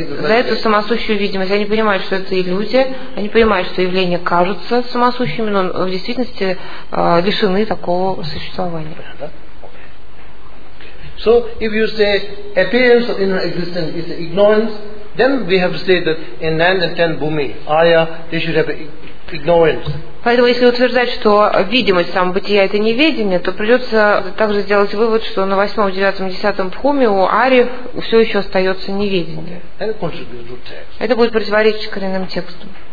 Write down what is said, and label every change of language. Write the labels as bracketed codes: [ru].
[ru] за эту самосущую видимость. Они понимают, что это иллюзия, они понимают, что явления кажутся самосущими, но в действительности лишены такого существования. [en] So if you say appearance of inner existence is ignorance, then we have to say that in 9 and 10 bhumi, Arya, they should have ignorance. [ru] Поэтому, если утверждать, что видимость самобытия – это неведение, то придется также сделать вывод, что на восьмом, девятом, десятом пхуме у Ари все еще остается неведение. Это будет противоречить коренным текстам.